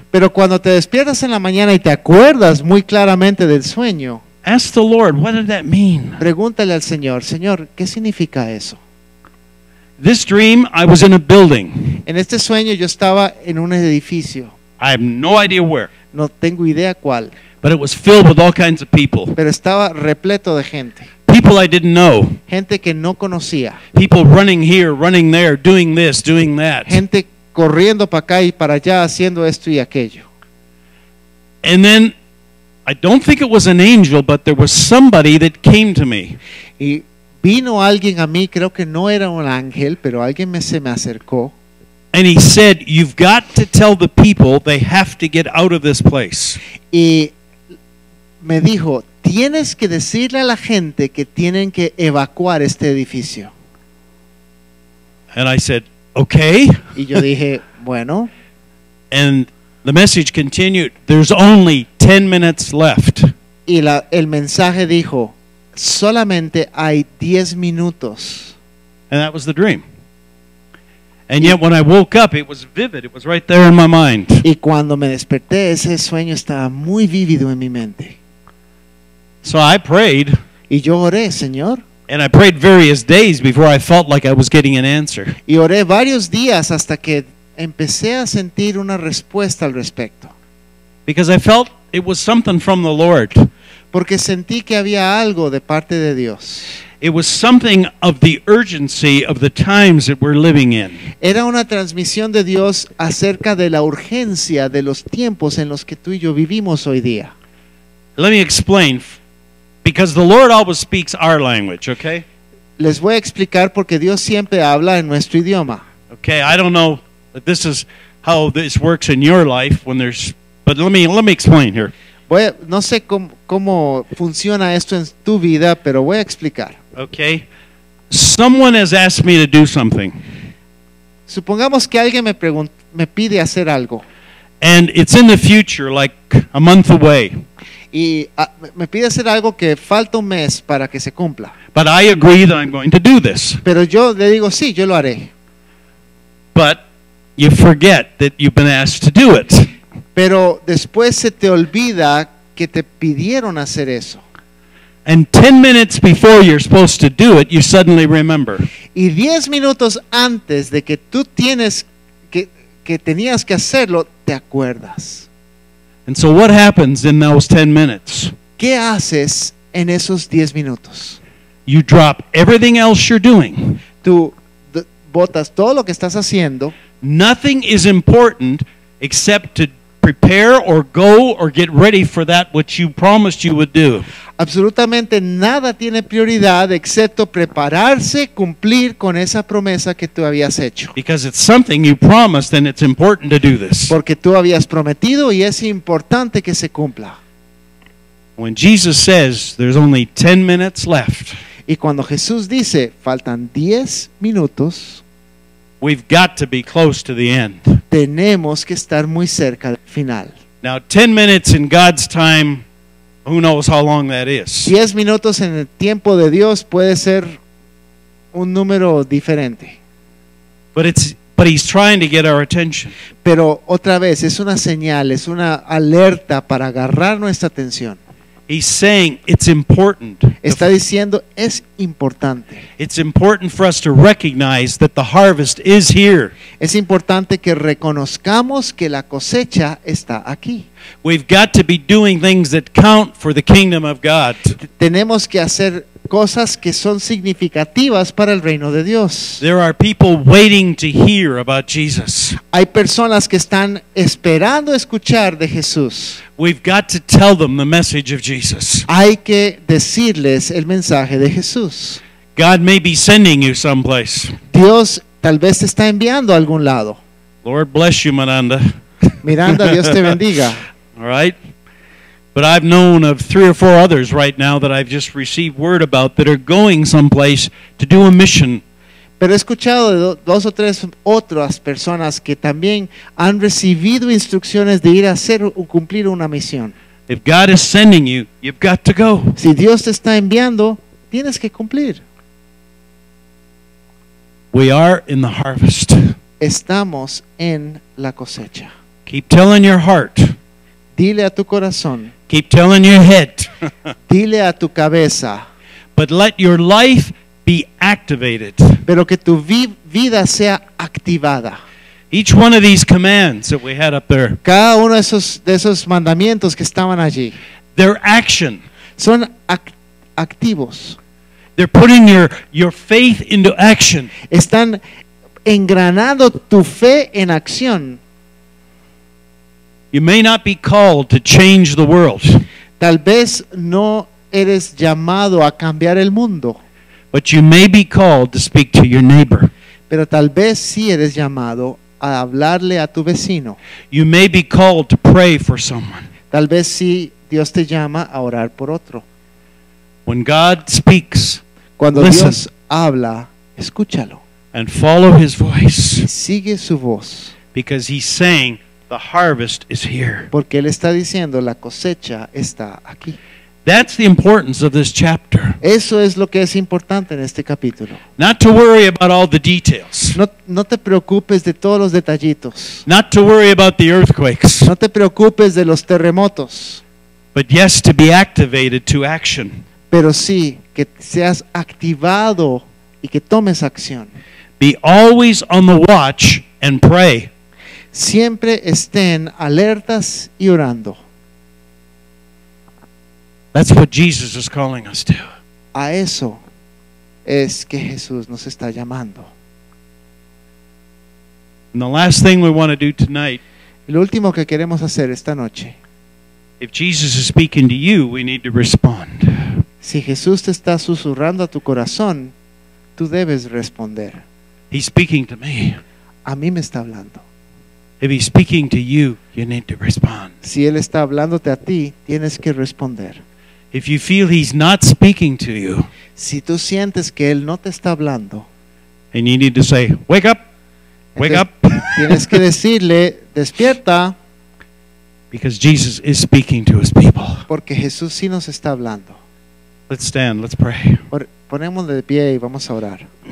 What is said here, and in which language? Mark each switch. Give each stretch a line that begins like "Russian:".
Spanish: pero cuando te despiertas en la mañana y te acuerdas muy claramente del sueño,
English: ask the Lord, what did that mean?
Spanish: Pregúntale al Señor, Señor, ¿qué significa eso?
English: This dream, I was in a building.
Spanish: En este sueño yo estaba en un edificio.
English: I have no idea where.
Spanish: No tengo idea cuál.
English: But it was filled with all kinds of people.
Spanish: Pero estaba repleto de gente.
English: People I didn't know.
Spanish: Gente que no conocía.
English: People running here, running there, doing this, doing that.
Spanish: Gente corriendo para acá y para allá haciendo esto y aquello.
English: And then I don't think it was an angel, but there was somebody that came to me.
Spanish: Y vino alguien a mí, creo que no era un ángel, pero alguien se me acercó.
English: And he said, you've got to tell the people they have to get out of this place.
Spanish: Y me dijo, tienes que decirle a la gente que tienen que evacuar este edificio.
English: And I said, okay.
Spanish: Y yo dije, bueno.
English: And the message continued, there's only 10 minutes left.
Spanish: Y la, el mensaje dijo, solamente hay 10 minutos.
English: And that was the dream. And yet when I woke up, it was vivid. It was right there in my mind.
Spanish: Y cuando me desperté, ese sueño estaba muy vívido en mi mente.
English: So I prayed.
Spanish: Y yo oré, Señor.
English: And I prayed various days before I felt like I was getting an answer.
Spanish: Y oré varios días hasta que empecé a sentir una respuesta al respecto.
English: Because I felt it was something from the Lord.
Spanish: Porque sentí que había algo de parte de Dios.
English: It was something of the urgency of the times that we're living in.
Spanish: Era una transmisión de Dios acerca de la urgencia de los tiempos en los que tú y yo vivimos hoy día.
English: Let me explain, because the Lord always speaks our language, okay?
Spanish: Les voy a explicar porque Dios siempre habla en nuestro idioma.
English: Okay, I don't know if this is how this works in your life when there's, but let me explain here.
Spanish: No sé cómo funciona esto en tu vida, pero voy a explicar.
English: Okay. Someone has asked me to do something.
Spanish: Supongamos que alguien me pide hacer algo.
English: And it's in the future, like a month away.
Spanish: Y me pide hacer algo que falta un mes para que se cumpla.
English: But I agree that I'm going to do this.
Spanish: Pero yo le digo, sí, yo lo haré.
English: But you forget that you've been asked to do it.
Spanish: Pero después se te olvida que te pidieron hacer eso.
English: And 10 minutes before you're supposed to do it, you suddenly remember.
Spanish: Y 10 minutos antes de que tú tienes que tenías que hacerlo, te acuerdas.
English: And so what happens in those 10 minutes?
Spanish: ¿Qué haces en esos 10 minutos?
English: You drop everything else you're doing.
Spanish: Tú botas todo lo que estás haciendo.
English: Nothing is important except to prepare or go or get ready for that which you promised you would do.
Spanish: Absolutamente nada tiene prioridad excepto prepararse, cumplir con esa promesa que tú habías hecho.
English: Because it's something you promised and it's important to do this.
Spanish: Porque tú habías prometido y es importante que se cumpla.
English: When Jesus says there's only 10 minutes left.
Spanish: Y cuando Jesús dice faltan 10 minutos.
English: We've got to be close to the end.
Spanish: Tenemos que estar muy cerca del final.
English: Now, 10 minutes in God's time, who knows how long that is?
Spanish: 10 minutos en el tiempo de Dios puede ser un número diferente.
English: But he's trying to get our attention.
Spanish: Pero otra vez, es una señal, es una alerta para agarrar nuestra atención.
English: He's saying it's important.
Spanish: Está diciendo es importante.
English: It's important for us to recognize that the harvest is here.
Spanish: Es importante que reconozcamos que la cosecha está aquí.
English: We've got to be doing things that count for the kingdom of God.
Spanish: Tenemos que hacer cosas que son significativas para el reino de Dios.
English: There are people waiting to hear about Jesus.
Spanish: Hay personas que están esperando escuchar de Jesús.
English: We've got to tell them the message of Jesus.
Spanish: Hay que decirles el mensaje de Jesús.
English: God may be sending you someplace.
Spanish: Dios tal vez te está enviando a algún lado.
English: Lord bless you, Miranda.
Spanish: Miranda, Dios te bendiga.
English: All right. But I've known of 3 or 4 others right now that I've just received word about that are going someplace to do a mission.
Spanish: Pero he escuchado de 2 o 3 otras personas que también han recibido instrucciones de ir a hacer o cumplir una misión.
English: If God is sending you, you've got to go.
Spanish: Si Dios te está enviando, tienes que cumplir.
English: We are in the harvest.
Spanish: Estamos en la cosecha.
English: Keep telling your heart.
Spanish: Dile a tu corazón.
English: Keep telling your head.
Spanish: Dile a tu cabeza.
English: But let your life be activated.
Spanish: Pero que tu vida sea activada.
English: Each one of these commands that we had up there.
Spanish: Cada uno de esos mandamientos que estaban allí.
English: They're action.
Spanish: Son activos.
English: They're putting your faith into action.
Spanish: Están engranando tu fe en acción.
English: You may not be called to change the world.
Spanish: Tal vez no eres llamado a cambiar el mundo.
English: But you may be called to speak to your neighbor.
Spanish: Pero tal vez sí eres llamado a hablarle a tu vecino.
English: You may be called to pray for someone.
Spanish: Tal vez sí Dios te llama a orar por otro.
English: When God speaks,
Spanish: cuando
English: listen.
Spanish: Dios habla, escúchalo.
English: and follow his voice.
Spanish: Sigue su voz.
English: Because he's saying the harvest is here.
Spanish: Porque él está diciendo la cosecha está aquí.
English: That's the importance of this chapter.
Spanish: Eso es lo que es importante en este capítulo.
English: Not to worry about all the details.
Spanish: No te preocupes de todos los detallitos.
English: Not to worry about the earthquakes.
Spanish: No te preocupes de los terremotos.
English: But yes, to be activated to action.
Spanish: Pero sí, que seas activado y que tomes acción.
English: Be always on the watch and pray.
Spanish: Siempre estén alertas y orando.
English: That's what Jesus is calling us to.
Spanish: A eso es que Jesús nos está llamando.
English: And the last thing we want to do tonight.
Spanish: Lo último que queremos hacer esta noche.
English: If Jesus is speaking to you, we need to respond.
Spanish: Si Jesús te está susurrando a tu corazón, tú debes responder.
English: He's speaking to me.
Spanish: A mí me está hablando.
English: If he's speaking to you, you need to respond.
Spanish: Si él está hablándote a ti, tienes que responder.
English: If you feel he's not speaking to you,
Spanish: si tú sientes que él no te está hablando,
English: and you need to say, wake up, wake up.
Spanish: Tienes que decirle, despierta.
English: Because Jesus is speaking to his people.
Spanish: Porque Jesús sí nos está hablando.
English: Let's stand, let's pray.
Spanish: Ponémonos de pie y vamos a orar.